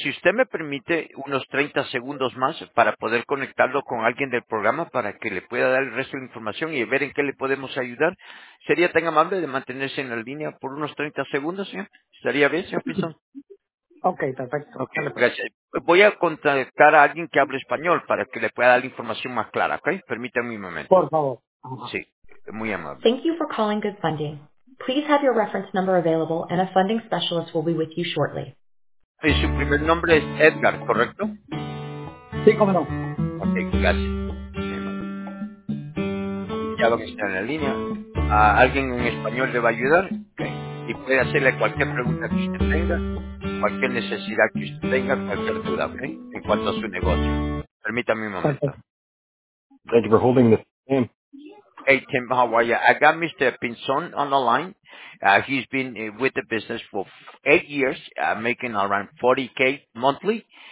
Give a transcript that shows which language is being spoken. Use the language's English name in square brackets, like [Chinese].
[Spanish] Si usted me permite unos 30 segundos más para poder conectarlo con alguien del programa para que le pueda dar el resto de la información y ver en qué le podemos ayudar, ¿sería tan amable de mantenerse en la línea por unos 30 segundos, señor? ¿Estaría bien, señor Pinzón? Ok, perfecto. Okay, gracias. Voy a contactar a alguien que hable español para que le pueda dar la información más clara, ¿ok? Permítame un momento. Por favor. Sí. Muy amable. [English] Thank you for calling Good Funding. Please have your reference number available and a funding specialist will be with you shortly. [Spanish] Y su primer nombre es Edgar, ¿correcto? Sí, cómo no. Ok, gracias. Ya lo que está en la línea. ¿A alguien en español le va a ayudar? Okay. Y puede hacerle cualquier pregunta que usted tenga, cualquier necesidad que usted tenga, cualquier duda, ¿ok? En cuanto a su negocio. Permítame un momento. [English] Thank you for holding this. Hey, Tim, how are you? I got Mr. Pinzón on the line. He's been with the business for 8 years, making around 40K monthly.